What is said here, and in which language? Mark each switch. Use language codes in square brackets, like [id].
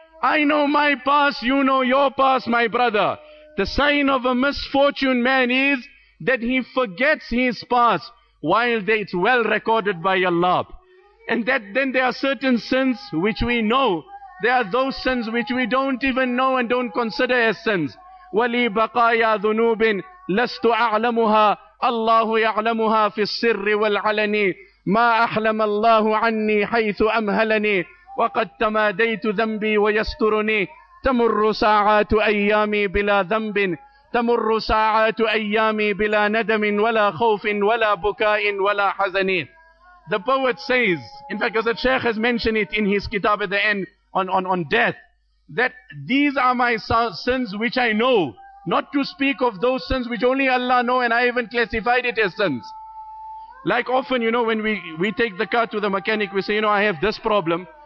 [en] I know my past, you know your past, my brother. The sign of a misfortune man is that he forgets his past, while it's well recorded by Allah. And that then there are certain sins which we know. There are those sins which we don't even know and don't consider as sins. [ar] وَلِي بَقَايَا ذُنُوبٍ لَسْتُ أَعْلَمُهَا الله يعلمها في السر والعلني. ما أحلم الله عني حيث أمهلني، وقد تماديت ذنبي ويسترني. تمر ساعات أيامي بلا ذنب، تمر ساعات أيامي بلا ندم ولا خوف ولا بكاء ولا حزن. [en] The poet says, in fact, as the Sheikh has mentioned it in his kitab at the end on death, that these are my sins which I know, not to speak of those sins which only Allah know, and I haven't classified it as sins. Like often, you know, when we take the car to the mechanic, we say, you know, I have this problem.